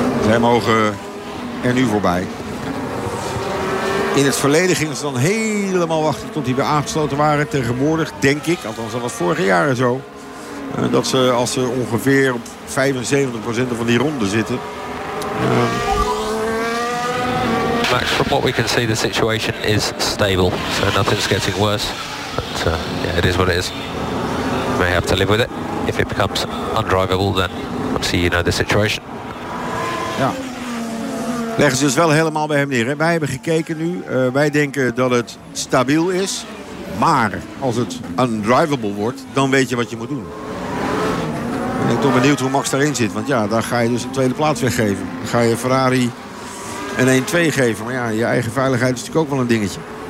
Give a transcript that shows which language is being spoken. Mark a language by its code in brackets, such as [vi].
[nl] Zij mogen er nu voorbij. In het verleden gingen ze dan helemaal wachten tot die weer aangesloten waren. Tegenwoordig, denk ik, althans dat was vorige jaren zo. Dat ze, als ze ongeveer op 75% van die ronde zitten. [en] Max, from what we can see, the situation is stable. So nothing's getting worse. But yeah, it is what it is. You may have to live with it. If it becomes undrivable, then obviously you know the situation. [nl] Ja. Leggen ze dus wel helemaal bij hem neer. Hè? Wij hebben gekeken nu. Wij denken dat het stabiel is. Maar als het undrivable wordt, dan weet je wat je moet doen. Ik ben toch benieuwd hoe Max daarin zit. Want ja, daar ga je dus een tweede plaats weggeven. Dan ga je Ferrari een 1-2 geven. Maar ja, je eigen veiligheid is natuurlijk ook wel een dingetje.